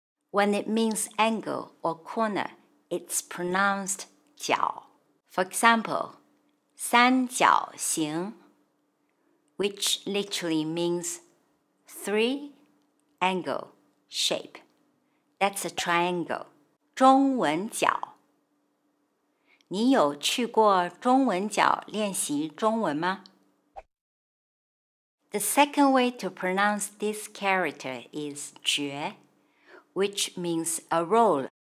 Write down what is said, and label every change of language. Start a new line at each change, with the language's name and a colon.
English: When it means angle or corner, it's pronounced 角. For example, 三角形, which literally means 3-angle shape. That's a triangle. 中文角.
Chinese: 你有去过中文角练习中文吗?
English: The second way to pronounce this character is 绝, which means a role.